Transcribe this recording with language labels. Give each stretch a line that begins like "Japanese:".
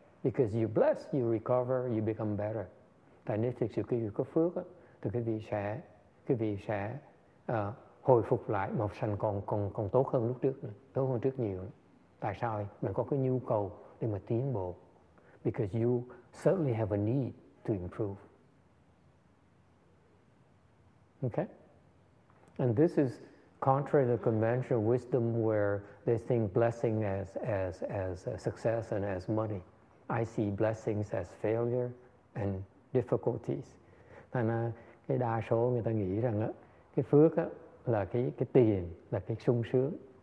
English: Because you bless, you recover, you become better.
Vietnamese: Tại nếu thực sự cái người có phước á, thì cái vị sẽ hồi phục lại mà sành còn tốt hơn lúc trước nữa, tốt hơn trước nhiều nữa. Tại sao? Mình có cái nhu cầu để mà tiến bộ.
English: Because you certainly have a need to improve. Okay? And this is contrary to the conventional wisdom where they think blessing as success and as money. I see blessings as failure and difficulties.
Vietnamese: Thế nên cái đa số người ta nghĩ rằng á, cái phước á là cái tiền, là cái sung sướng.